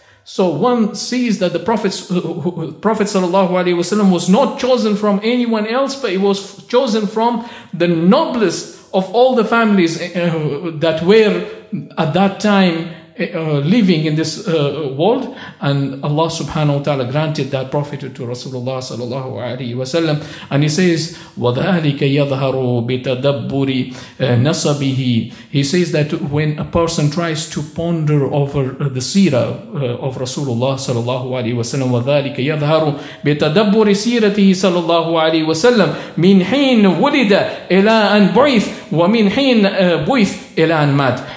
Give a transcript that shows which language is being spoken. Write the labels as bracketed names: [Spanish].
[English] So one sees that the Prophet sallallahu alaihi wasallam was not chosen from anyone else, but he was chosen from the noblest of all the families that were at that time living in this world, and Allah subhanahu wa ta'ala granted that prophethood to Rasulullah sallallahu alayhi wa sallam. And he says, [Arabic] وَذَٰلِكَ يَظْهَرُ بِتَدَبُّرِ نَصَبِهِ. [English] He says that when a person tries to ponder over the seerah of Rasulullah sallallahu alayhi wa sallam, [Arabic] وَذَٰلِكَ يَظْهَرُ بِتَدَبُّرِ سِيرَتِهِ [English] sallallahu alayhi wa sallam [Arabic] مِنْ حِين وُلِدَ إِلَىٰ أَنْ بُعِثْ وَمِنْ حِين بُعِثْ إِلَىٰ أَنْ مَاتْ.